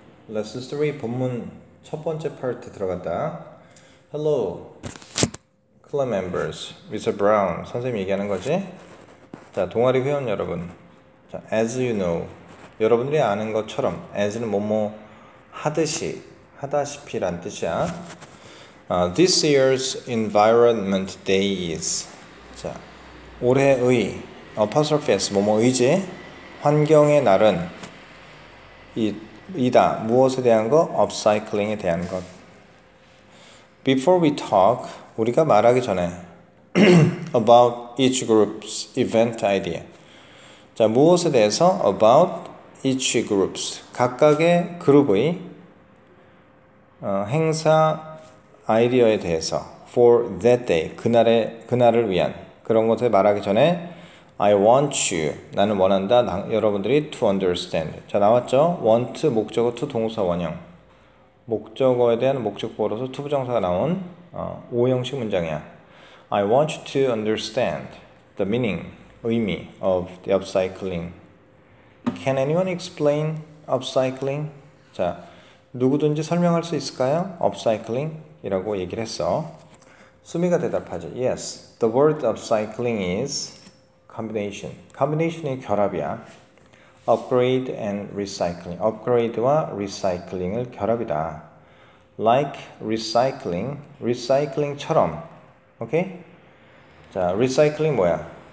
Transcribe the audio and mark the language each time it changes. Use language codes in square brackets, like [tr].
[ko] Lesson 3 본문 첫 번째 파트 들어간다. [en] Hello, club members. Mr. Brown. [ko] 선생님이 얘기하는 거지? 자, 동아리 회원 여러분. 자, [en] as you know. [ko] 여러분들이 아는 것처럼 as는 뭐뭐 하듯이, 하다시피 란 뜻이야. [en] This year's environment day is. [ko] 자, 올해의 apostrophe s 뭐뭐의지? 환경의 날은 이다. 무엇에 대한 거? Upcycling에 대한 것. [en] Before we talk, [ko] 우리가 말하기 전에 [en] about each group's event idea. [ko] 자, 무엇에 대해서? [en] About each group's. [ko] 각각의 그룹의 행사 아이디어에 대해서. [en] For that day. [ko] 그날을 위한. 그런 것을 말하기 전에 [en] I want you. [ko] 나는 원한다. 여러분들이 [en] to understand. [ko] 자, 나왔죠? want, 목적어, to, 동사, 원형. 목적어에 대한 목적어로서 to 부정사가 나온 5형식 문장이야. [en] I want you to understand the meaning, 의미 of the upcycling. Can anyone explain upcycling? [ko] 자, 누구든지 설명할 수 있을까요? upcycling 이라고 얘기를 했어. 수미가 대답하죠. [en] Yes, the word upcycling is combination. [ko] Combination의 결합이야. [en] Upgrade and recycling. [ko] Upgrade와 recycling을 결합이다. [en] Like recycling. [ko] Recycling처럼. Okay? 자, recycling 뭐야?